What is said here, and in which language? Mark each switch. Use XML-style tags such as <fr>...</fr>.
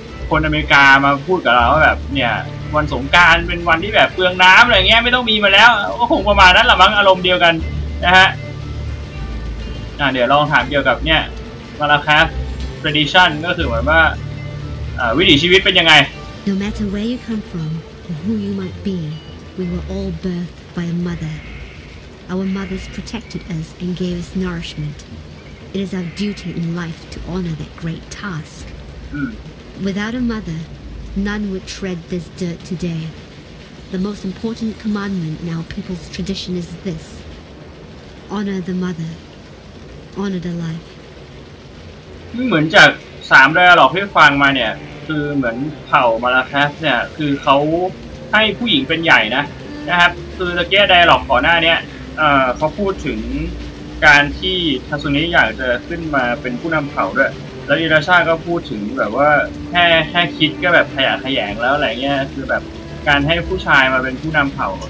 <th>คนอเมริกามาพูดกับเราว่าแบบเนี่ยวันสงกรานต์เป็นวันที่แบบเปลืองน้ำอะไรเงี้ยไม่ต้องมีมาแล้วก็คงประมาณนั้นแหละมั้งอารมณ์เดียวกันนะฮะเดี๋ยวลองถามเกี่ยวกับเนี่ยมาราคัส tradition ก็คือเหมือนว่าวิถีชีวิตเป็นยังไง</th> <en>No matter where you come from or who you might be we were all birthed by a mother our mothers protected us and gave us nourishment it is our duty in life to honor that great task without a motherNone would tread this dirt today. The most important commandment in our people's tradition is this. Honor the mother. Honor the life.</en> <th>เหมือนจาก3ไดอะล็อกที่ฟังมาเนี่ยคือเหมือนเผ่ามาราคัสเนี่ยคือเขาให้ผู้หญิงเป็นใหญ่นะครับคือตะเกียบไดอะล็อกก่อนหน้านี้เขาพูดถึงการที่ทาซุนิอยากจะขึ้นมาเป็นผู้นำเผ่าด้วยแล้วอิราชาก็พูดถึงแบบว่าแค่คิดก็แบบขยะแขยงแล้วอะไรเงี้ยคือแบบการให้ผู้ชายมาเป็นผู้นำเผ่า</th>